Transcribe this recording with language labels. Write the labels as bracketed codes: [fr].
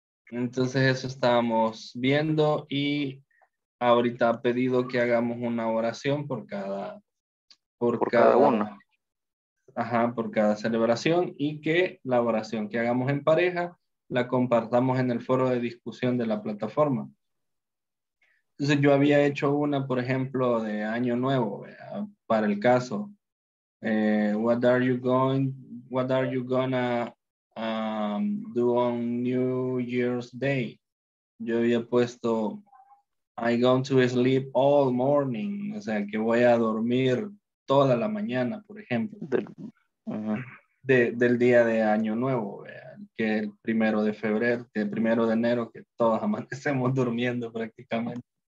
[es] Entonces eso estábamos viendo, y ahorita ha pedido que hagamos una oración por cada una. Ajá, por cada celebración, y que la oración que hagamos en pareja la compartamos en el foro de discusión de la plataforma. Entonces yo había hecho una, por ejemplo, de Año Nuevo, ¿verdad? Para el caso. [en] What are you gonna do on New Year's Day? [es] Yo había puesto, [en] I'm going to sleep all morning. [es] O sea, que voy a dormir toda la mañana, por ejemplo. Del día de Año Nuevo, ¿verdad? Que es el primero de febrero, que es el primero de enero, que todos amanecemos durmiendo prácticamente.